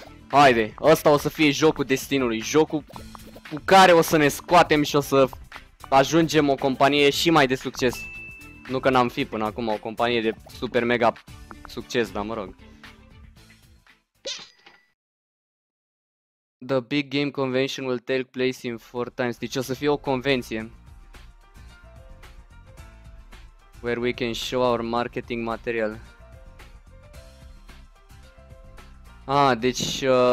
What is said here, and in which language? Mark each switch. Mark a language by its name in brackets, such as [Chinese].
[Romanian] Haide, ăsta o să fie jocul destinului, jocul cu care o să ne scoatem și o să ajungem o companie și mai de succes. Nu că n-am fi până acum o companie de super mega succes, dar mă rog. [English] The big game convention will take place in 4 times. [Romanian] Deci o să fie o convenție. [English] Where we can show our marketing material. [Romanian] Ah, deci...